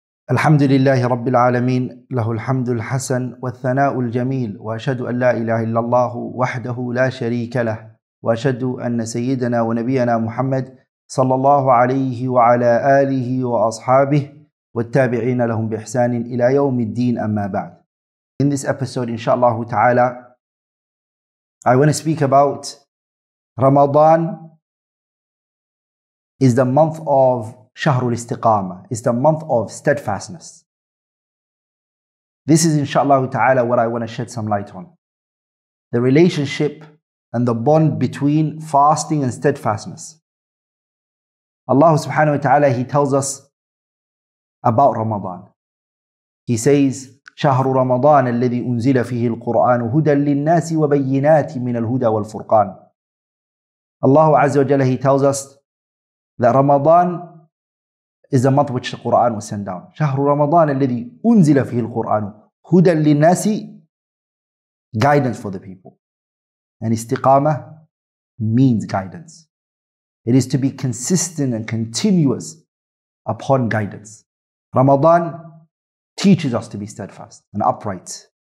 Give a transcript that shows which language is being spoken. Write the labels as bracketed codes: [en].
[ar] الحمد لله رب العالمين له الحمد الحسن والثناء الجميل وأشهد أن لا إله إلا الله وحده لا شريك له وأشهد أن سيدنا ونبينا محمد صلى الله عليه وعلى آله وأصحابه والتابعين لهم بإحسان إلى يوم الدين أما بعد. [en] In this episode, inshallah ta'ala, I want to speak about Ramadan is the month of [ar] شهر الاستقامة, [en] is the month of steadfastness. This is inshallah ta'ala what I want to shed some light on. The relationship and the bond between fasting and steadfastness. Allah subhanahu wa ta'ala, He tells us about Ramadan. [ar] He says, شهر رمضان الذي أنزل فيه القرآن هدى للناس وبينات من الهدى والفرقان. [en] Allah Azza wa Jalla, He tells us that Ramadan is the month which the Quran was sent down. [ar] شهر رمضان الذي أنزل فيه القرآن هدى للناس, [en] guidance for the people. And istiqama means guidance. It is to be consistent and continuous upon guidance. Ramadan teaches us to be steadfast and upright.